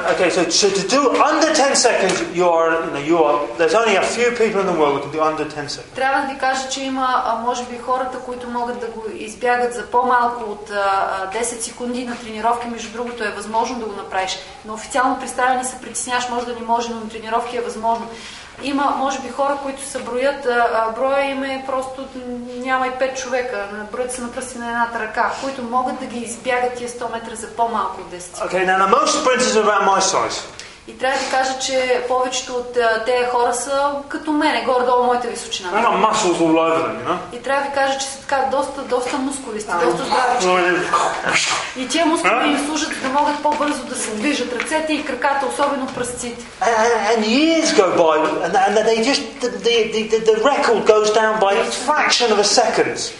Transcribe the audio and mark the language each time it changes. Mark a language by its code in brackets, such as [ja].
[en] So to do under 10 seconds, you are. There's only a few people in the world who can do under 10 seconds. [bg] Трябва да ви кажа, че има, може би, хората, които могат да го избягат за по-малко от 10 секунди на тренировки. Между другото, е възможно да го направиш. Но официално представени се притесняваш, може да не може, но на тренировки е възможно. Има, може би, хора, които се броят, броя им е просто няма и 5 човека, броят се на пръсти на едната ръка, които могат да ги избягат тия 100 метра за по-малко от 10 секунди. [en] Okay, now most sprinters are about my size. [bg] И трябва да кажа, че повечето от тези хора са като мене, горе-долу моята височина. [en] I've got muscles all over them, you know? [bg] И трябва да кажа, че са така доста мускулисти, доста здрави. И тия мускули им служат, да могат по-бързо да се движат ръцете и краката, особено пръстите. [en] And years go by, and they just, the record goes down by a fraction of a second.